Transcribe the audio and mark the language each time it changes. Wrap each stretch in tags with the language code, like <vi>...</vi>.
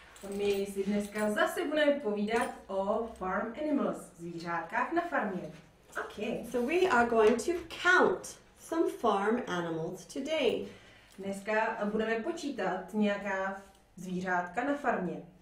<cs>My si dneska zase budeme povídat o</cs> <en>farm animals,</en> <cs>zvířátkách na farmě.</cs> <en>Okay, so we are going to count some farm animals today.</en> <cs>Dneska budeme počítat nějaká zvířátka na farmě.</cs>